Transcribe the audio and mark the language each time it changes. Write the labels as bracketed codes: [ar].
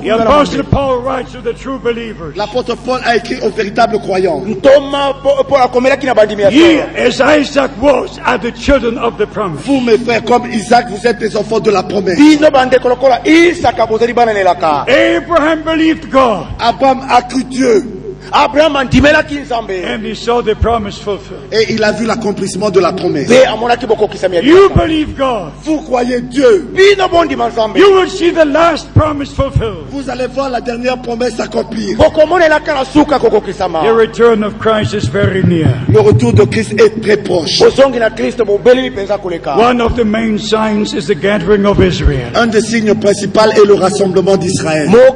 [en] The apostle Paul writes to the true believers. [fr] L'apôtre Paul a écrit aux véritables croyants. [ln] Ntoma pour akomela kina bandimi ya. [en] As Isaac was, are the children of the promise. [fr] Vous, mes frères, comme Isaac, vous êtes des enfants de la promesse. [en] Abraham believed God. [fr] Abraham a cru Dieu. [en] Abraham and he saw the promise fulfilled. [fr] Et il a vu l'accomplissement de la promesse. [en] You believe God. [fr] Vous croyez Dieu. [en] You will see the last promise fulfilled. [fr] Vous allez voir la dernière promesse accomplir. [en] The return of Christ is very near. [fr] Le retour de Christ est très proche. [en] One of the main signs is the gathering of Israel. [fr] Un des signes principaux est le rassemblement d'Israël.